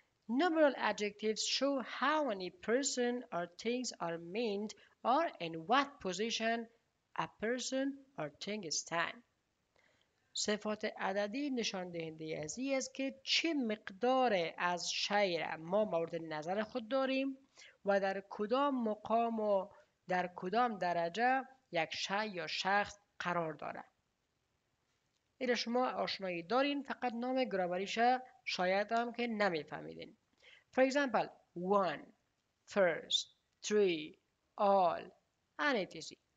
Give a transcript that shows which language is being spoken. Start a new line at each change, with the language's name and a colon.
English: Numeral adjectives show how many person or things are meant or in what position a person or thing stand.
Persian: صفات عددی نشان دهنده ازی است که چه مقدار از شیء ما مورد نظر خود داریم و در کدام مقام و در کدام درجه یک شیء یا شخص قرار داره. اگر شما آشنایی دارین فقط نام گرامریش شاید هم که نمی فهمیدین.
English: For example, one, first, three, all, and etc.